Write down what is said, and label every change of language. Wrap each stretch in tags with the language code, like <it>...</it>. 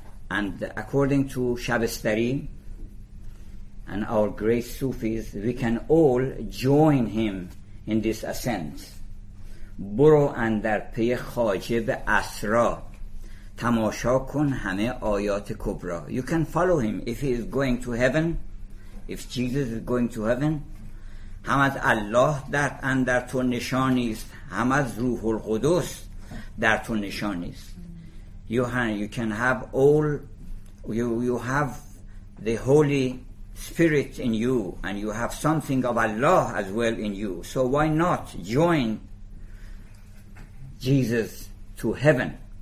<en>And according to Shabbistari and our great Sufis, we can all join him in this ascent.</en> <fa>Buro andar peye khaje be asra, تماشا کن همه آیات کبرا.</fa> <en>You can follow him if he is going to heaven. If Jesus is going to heaven,</en> <fa>هم از الله در اندر تو نشانی است، هم از روح القدس در تو نشانی است.</fa> <en>You can have all, you have the Holy Spirit in you, and you have something of Allah as well in you. So why not join Jesus to heaven?</en>